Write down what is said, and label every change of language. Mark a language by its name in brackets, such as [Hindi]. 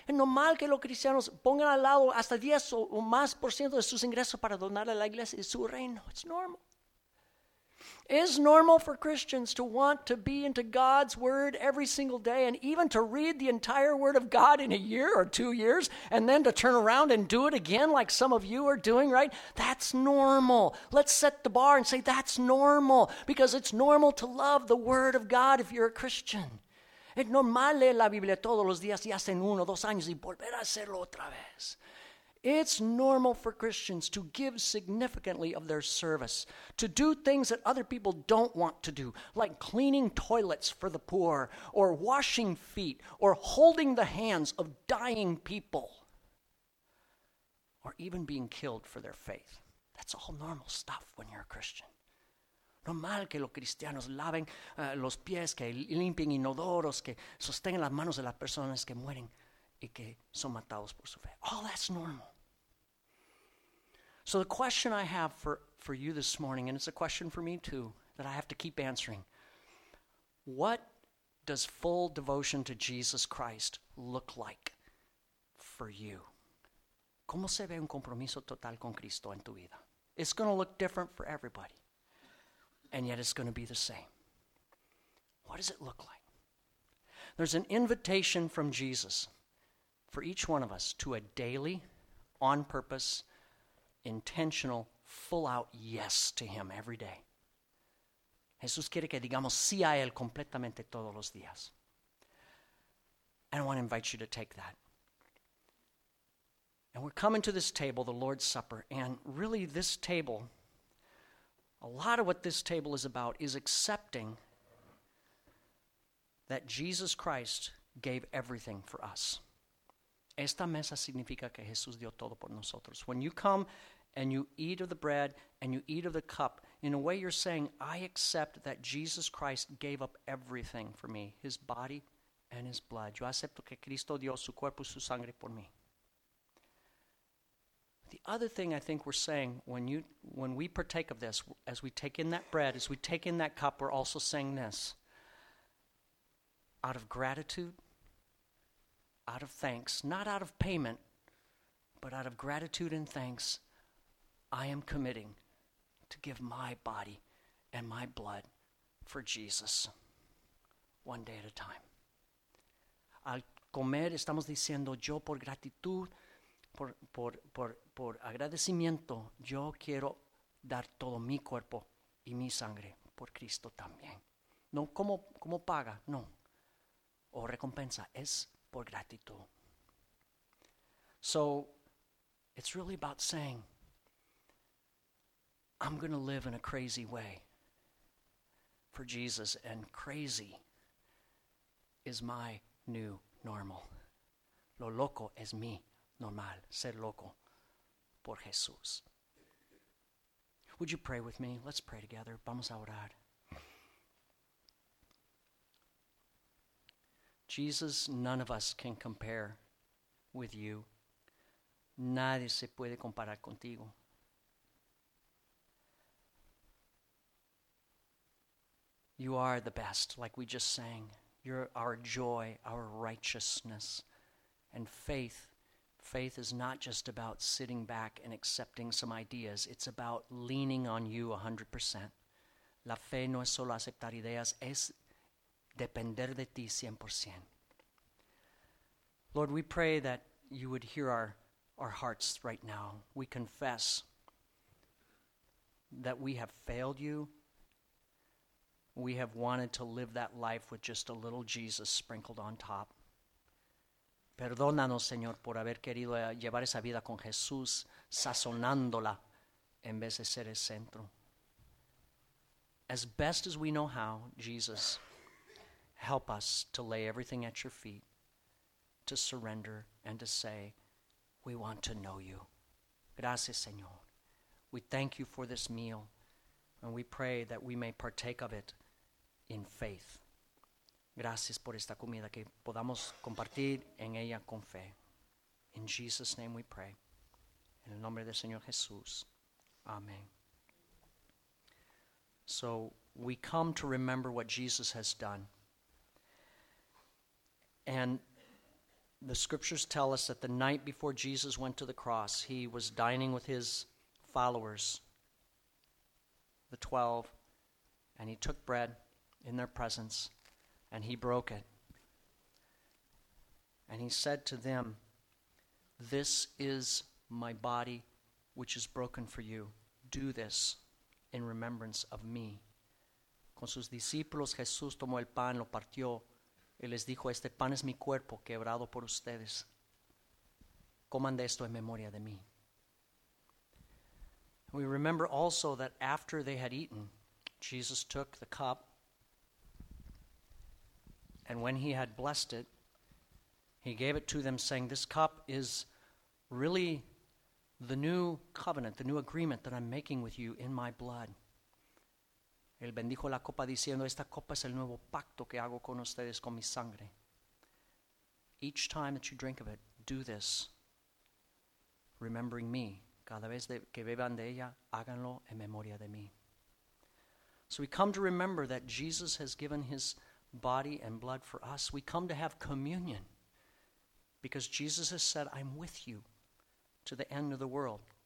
[Spanish] Es normal que los cristianos pongan al lado hasta 10 o más por ciento de sus ingresos para donar a la iglesia y su reino. [English] It's normal. Is normal for Christians to want to be into God's word every single day and even to read the entire word of God in a year or 2 years and then to turn around and do it again like some of you are doing, right? That's normal. Let's set the bar and say that's normal because it's normal to love the word of God if you're a Christian. [Spanish] Es normal leer la Biblia todos los días y hace uno, dos años y volver a hacerlo otra vez. [English] It's normal for Christians to give significantly of their service, to do things that other people don't want to do, like cleaning toilets for the poor, or washing feet, or holding the hands of dying people, or even being killed for their faith. That's all normal stuff when you're a Christian. [Spanish] Normal que los cristianos laven los pies, que limpien inodoros, que sostengan las manos de las personas que mueren y que son matados por su fe. [English] All that's normal. So the question I have for you this morning, and it's a question for me too, that I have to keep answering. What does full devotion to Jesus Christ look like for you? [Spanish] ¿Cómo se ve un compromiso total con Cristo en tu vida? [English] It's going to look different for everybody, and yet it's going to be the same. What does it look like? There's an invitation from Jesus for each one of us to a daily, on purpose, intentional, full out yes to him every day. [Spanish] Jesús quiere que digamos sí a él completamente todos los días. [English] And I want to invite you to take that. And we're coming to this table, the Lord's Supper, and really this table, a lot of what this table is about is accepting that Jesus Christ gave everything for us. [Spanish] Esta mesa significa que Jesús dio todo por nosotros. [English] When you come and you eat of the bread and you eat of the cup, in a way you're saying, I accept that Jesus Christ gave up everything for me, his body and his blood. [Spanish] Yo acepto que Cristo dio su cuerpo y su sangre por mí. [English] The other thing I think we're saying when we partake of this, as we take in that bread, as we take in that cup, we're also saying this. Out of gratitude, out of thanks, not out of payment, but out of gratitude and thanks, I am committing to give my body and my blood for Jesus, one day at a time. [Spanish] Al comer, estamos diciendo, yo por gratitud, por agradecimiento, yo quiero dar todo mi cuerpo y mi sangre por Cristo también. No como paga, no. O recompensa, es por gratitud. [English] So, it's really about saying, I'm going to live in a crazy way for Jesus, and crazy is my new normal. [Spanish] Lo loco es mi normal, ser loco por Jesús. [English] Would you pray with me? Let's pray together. [Spanish] Vamos a orar. [English] Jesus, none of us can compare with you. [Spanish] Nadie se puede comparar contigo. [English] You are the best, like we just sang. You're our joy, our righteousness, and faith. Faith is not just about sitting back and accepting some ideas. It's about leaning on you 100%. [Spanish] La fe no es solo aceptar ideas, es depender de ti 100%. [English] Lord, we pray that you would hear our hearts right now. We confess that we have failed you. We have wanted to live that life with just a little Jesus sprinkled on top. [Spanish] Perdónanos, Señor, por haber querido llevar esa vida con Jesús, sazonándola en vez de ser el centro. [English] As best as we know how, Jesus, help us to lay everything at your feet, to surrender and to say, we want to know you. [Spanish] Gracias, Señor. [English] We thank you for this meal, and we pray that we may partake of it in faith. [Spanish] Gracias por esta comida que podamos compartir en ella con fe. [English] In Jesus' name we pray. [Spanish] En el nombre del Señor Jesús. Amén. [English] So we come to remember what Jesus has done. And the scriptures tell us that the night before Jesus went to the cross, he was dining with his followers, the 12, and he took bread in their presence, and he broke it. And he said to them, this is my body, which is broken for you. Do this in remembrance of me. [Spanish] Con sus discípulos, Jesús tomó el pan, lo partió, y les dijo, este pan es mi cuerpo, quebrado por ustedes. Coman de esto en memoria de mí. [English] We remember also that after they had eaten, Jesus took the cup, and when he had blessed it, he gave it to them saying, this cup is really the new covenant, the new agreement that I'm making with you in my blood. [Spanish] Él bendijo la copa diciendo, esta copa es el nuevo pacto que hago con ustedes con mi sangre. [English] Each time that you drink of it, do this, remembering me. [Spanish] Cada vez que beban de ella, háganlo en memoria de mí. [English] So we come to remember that Jesus has given his body and blood for us. We come to have communion because Jesus has said, I'm with you to the end of the world.